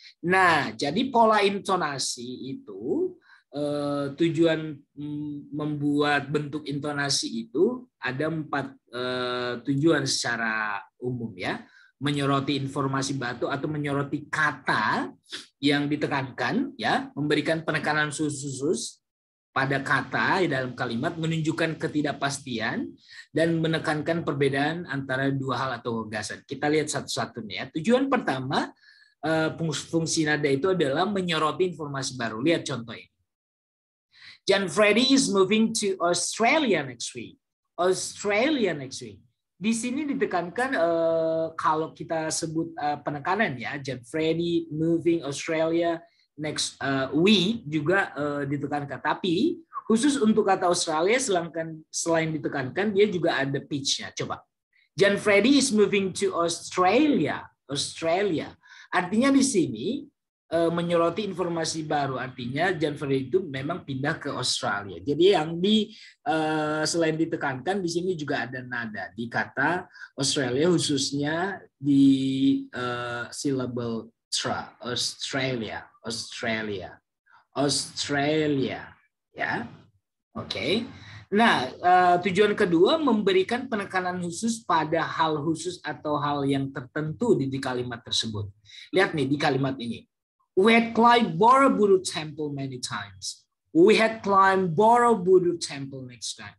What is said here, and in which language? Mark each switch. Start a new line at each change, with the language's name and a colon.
Indonesian: Nah, jadi pola intonasi itu, tujuan membuat bentuk intonasi itu ada empat tujuan secara umum ya, menyoroti informasi batu atau menyoroti kata yang ditekankan ya, memberikan penekanan khusus pada kata dalam kalimat, menunjukkan ketidakpastian dan menekankan perbedaan antara dua hal atau gagasan. Kita lihat satu-satu nih ya. Tujuan pertama fungsi nada itu adalah menyoroti informasi baru. Lihat contohnya.
English: Jan Freddy is moving to Australia next week. Australia next week.
Indonesian: Di sini ditekankan kalau kita sebut penekanan ya,
English: Jan Freddy moving Australia next week
Indonesian: juga ditekankan. Tapi khusus untuk kata Australia selain ditekankan, dia juga ada pitch-nya. Coba.
English: Jan Freddy is moving to Australia.
Indonesian: Australia. Artinya di sini menyoroti informasi baru, artinya Jan Freddy itu memang pindah ke Australia. Jadi yang di selain ditekankan di sini juga ada nada di kata Australia, khususnya di syllable tra. Australia, Australia, Australia, ya, oke. Okay. Nah tujuan kedua, memberikan penekanan khusus pada hal khusus atau hal yang tertentu di kalimat tersebut. Lihat nih di kalimat ini.
English: We had climbed Borobudur Temple many times. We had climbed Borobudur Temple next time.